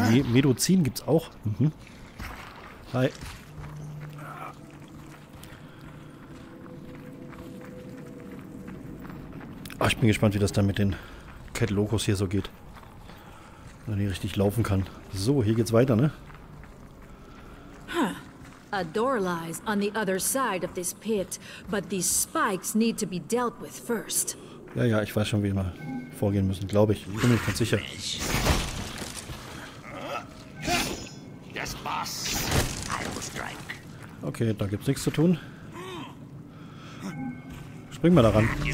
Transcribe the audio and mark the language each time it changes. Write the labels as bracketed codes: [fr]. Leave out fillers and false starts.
[de] Medizin gibt es auch. Mhm. Hi. Ach, ich bin gespannt, wie das dann mit den Cat Locos hier so geht. Wenn die richtig laufen kann. So, hier geht's weiter, ne? Huh. [en] A door lies on the other side of this pit, but these spikes need to be dealt with first. [de] Ja, ja, ich weiß schon, wie wir vorgehen müssen, glaube ich. Ich bin mir ganz sicher. [en] Yes, boss. I will strike. [de] Okay, da gibt's nichts zu tun. Spring mal da ran.